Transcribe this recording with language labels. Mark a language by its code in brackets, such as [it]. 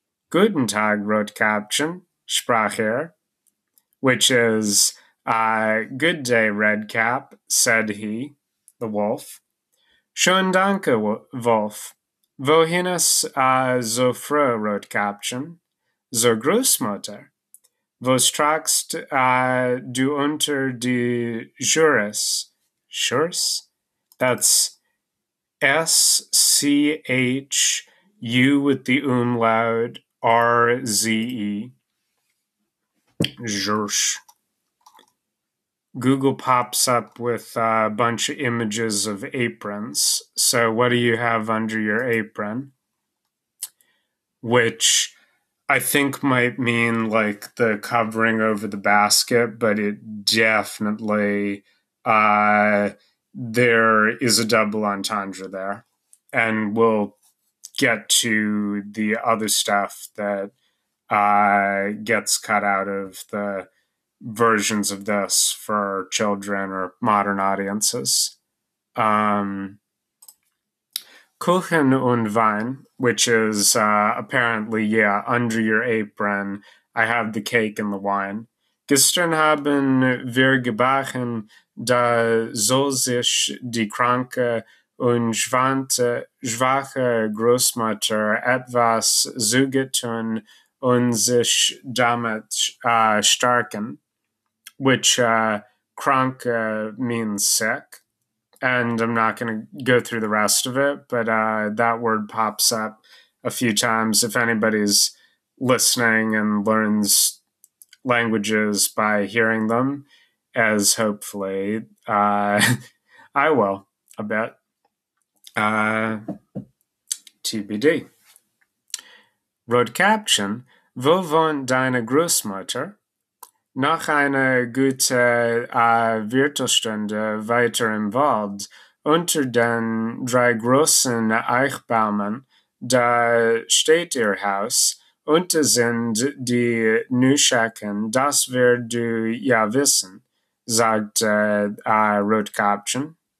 [de] Guten Tag, Rotkäppchen, sprach er, [en] which is, good day, Red Cap, said he, the wolf. [de] Schon danke, Wolf. Wohin ist so früh, Rotkäppchen? So Großmutter. Was tragst du unter die Schürze? Schürze? [en] That's S-C-H-U with the umlaut R-Z-E. Schürze. Google pops up with a bunch of images of aprons. So what do you have under your apron? Which I think might mean like the covering over the basket, but it definitely, there is a double entendre there. And we'll get to the other stuff that gets cut out of the versions of this for children or modern audiences. [de] Kuchen und Wein, [en] which is apparently, yeah, under your apron, I have the cake and the wine. [de] Gestern haben wir gebacken, da soll sich die kranke und schwache Großmutter etwas zugetun und sich damit stärken. [en] Which krank means sick, and I'm not going to go through the rest of it, but that word pops up a few times. If anybody's listening and learns languages by hearing them, as hopefully I will, a bit. TBD. [de] Rotkäppchen, wo wohnt deine Großmutter? Nach einer gute Viertelstunde weiter im Wald, unter den drei großen Eichbäumen, da steht ihr Haus, und es sind die Nüschecken, das wirst du ja wissen, sagte Rotkäppchen.